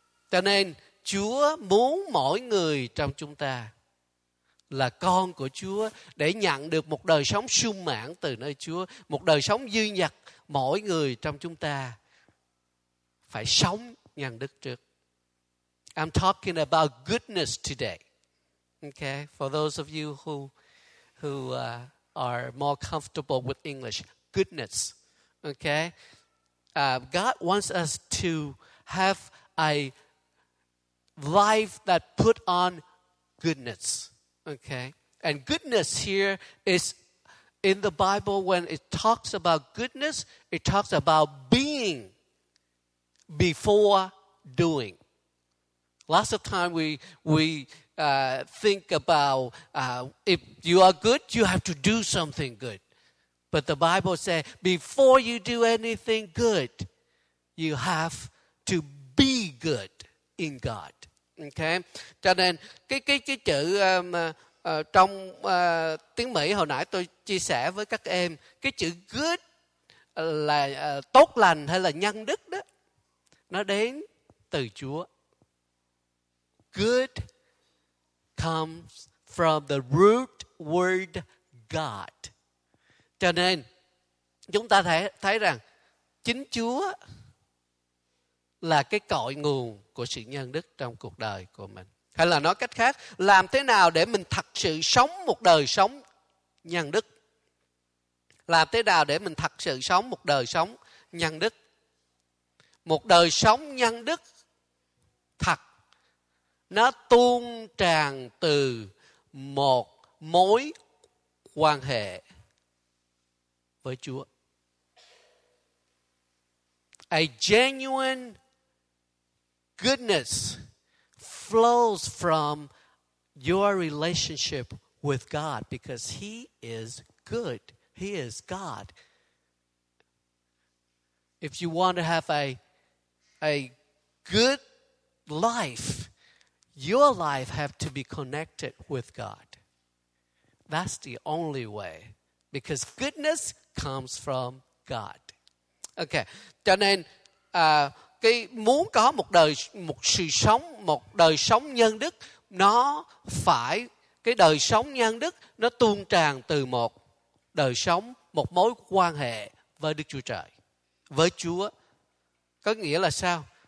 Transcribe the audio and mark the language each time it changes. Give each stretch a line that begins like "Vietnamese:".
Vietnamese: Cho nên Chúa muốn mỗi người trong chúng ta là con của Chúa, để nhận được một đời sống sung mãn từ nơi Chúa, một đời sống dư dật, mỗi người trong chúng ta phải sống nhân đức trước.
English: I'm talking about goodness today. Okay, for those of you who are more comfortable with English, goodness. Okay, God wants us to have a life that put on goodness. Okay, and goodness here is in the Bible, when it talks about goodness, it talks about being before doing. Lots of time we think about if you are good, you have to do something good. But the Bible says, before you do anything good, you have to be good in God. Okay?
Vietnamese: Cho nên, cái chữ trong tiếng Mỹ hồi nãy tôi chia sẻ với các em, cái chữ good là tốt lành hay là nhân đức đó, nó đến từ Chúa. Good
English: comes from the root word God.
Vietnamese: Cho nên chúng ta thấy rằng chính Chúa là cái cội nguồn của sự nhân đức trong cuộc đời của mình. Hay là nói cách khác, làm thế nào để mình thật sự sống một đời sống nhân đức? Làm thế nào để mình thật sự sống một đời sống nhân đức? Một đời sống nhân đức thật, nó tuôn tràn từ một mối quan hệ với Chúa.
English: A genuine goodness flows from your relationship with God because He is good. He is God. If you want to have a good life, your life have to be connected with God. That's the only way, because goodness comes from God.
Vietnamese: Okay, cho nên cái muốn có một đời, một sự sống, một đời sống nhân đức, nó phải, cái đời sống nhân đức nó tuôn tràn từ một đời sống, một mối quan hệ với Đức Chúa Trời, với Chúa. Có nghĩa là sao?